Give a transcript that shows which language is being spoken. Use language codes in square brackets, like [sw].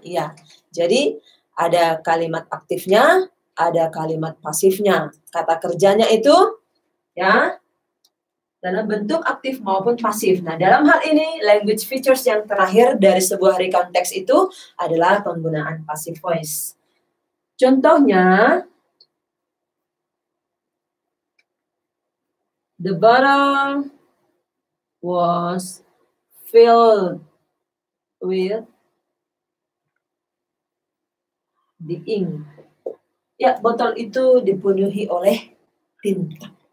[id] Ya, jadi ada kalimat aktifnya, ada kalimat pasifnya. Kata kerjanya itu, ya, dalam bentuk aktif maupun pasif. Nah, dalam hal ini, language features yang terakhir dari sebuah recount text itu adalah penggunaan passive voice. [en] Contohnya, the bottle was filled with the ink. [id] Ya, botol itu dipenuhi oleh tinta.